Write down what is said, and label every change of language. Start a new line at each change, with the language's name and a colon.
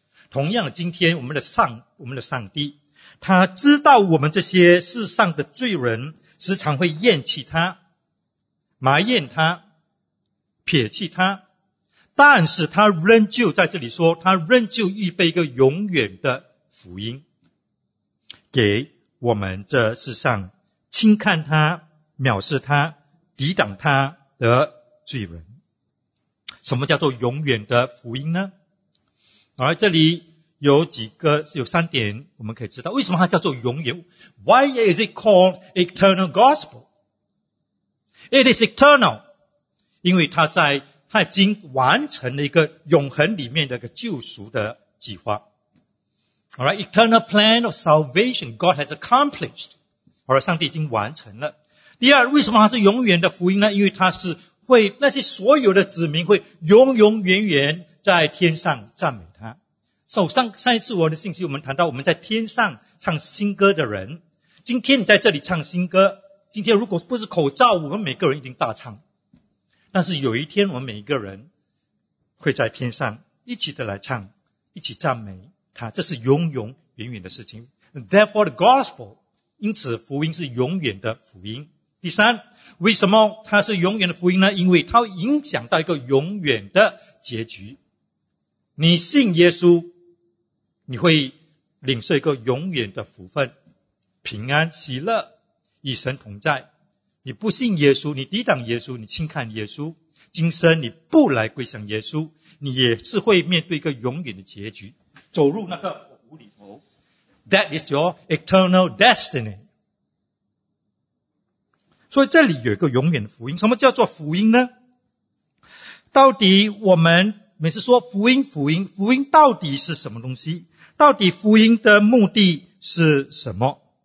Chinese: 同样的，今天我们的上帝，他知道我们这些世上的罪人时常会厌弃他、埋怨他、撇弃他，但是他仍旧在这里说，他仍旧预备一个永远的福音给我们这世上轻看他、藐视他、抵挡他的罪人。什么叫做永远的福音呢？而这里有几个，有三点我们可以知道，为什么它叫做永远？
English: Why is it called eternal gospel? It is eternal.
Chinese: 因为它已经完成了一个永恒里面的一个救赎的计划。
English: Alright, eternal plan of salvation God has accomplished.
Chinese: Alright, 上帝已经完成了。第二，为什么它是永远的福音呢？因为它是会那些所有的子民会永永远远在天上赞美他。 So, 上一次我的信息我们谈到我们在天上唱新歌的人。今天你在这里唱新歌，今天如果不是口罩，我们每个人一定大唱。但是有一天我们每一个人会在天上一起的来唱，一起赞美。这是永永远远的事情。
English: Therefore, the gospel,
Chinese: 因此福音是永远的福音。第三，为什么它是永远的福音呢？因为它会影响到一个永远的结局。你信耶稣，你会领受一个永远的福分，平安、喜乐，与神同在。你不信耶稣，你抵挡耶稣，你轻看耶稣，今生你不来归向耶稣，你也是会面对一个永远的结局。走入那个火湖里头，
English: That is your eternal destiny.
Chinese: 所以这里有一个永远的福音。什么叫做福音呢？到底我们每次说福音，福音，福音到底是什么东西？到底福音的目的是什么？